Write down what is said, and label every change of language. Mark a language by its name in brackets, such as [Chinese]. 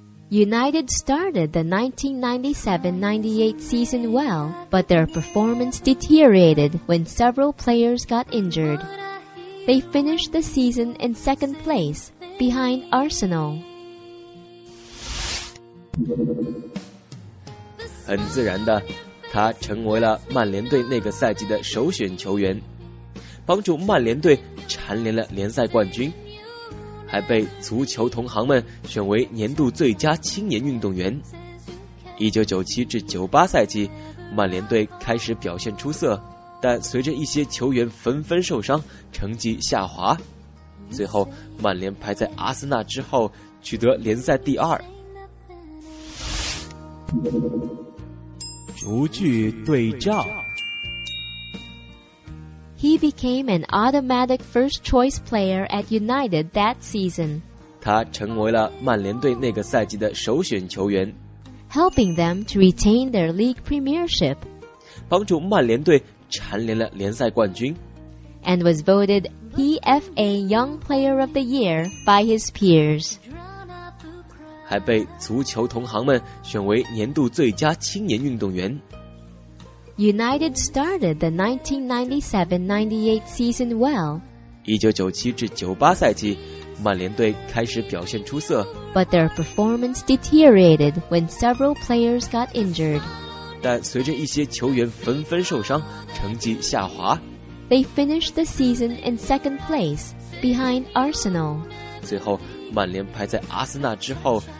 [English] United started the 1997-98 season well, but their performance deteriorated when several players got injured. They finished the season in second place, behind Arsenal. [Chinese] 很自然的，他成为了曼联队那个赛季的首选球员，帮助曼联队蝉联了联赛冠军，还被足球同行们选为年度最佳青年运动员。 1997-98 赛季，曼联队开始表现出色，但随着一些球员纷纷受伤，成绩下滑，最后曼联排在阿森纳之后，取得联赛第二。逐句对照。 [English] He became an automatic first choice player at United that season. [Chinese] 他成为了曼联队那个赛季的首选球员。 [English] Helping them to retain their league premiership. [Chinese] 帮助曼联队蝉联了联赛冠军。 [English] And was voted PFA Young Player of the Year by his peers. [Chinese] 还被足球同行们选为年度最佳青年运动员。 [English] United started the 1997-98 season well. [Chinese] 1997-98 赛季，曼联队开始表现出色。 [English] But their performance deteriorated when several players got injured. [Chinese] 但随着一些球员纷纷受伤，成绩下滑。 [English] They finished the season in second place, behind Arsenal. [Chinese] 最后，曼联排在阿森纳之后。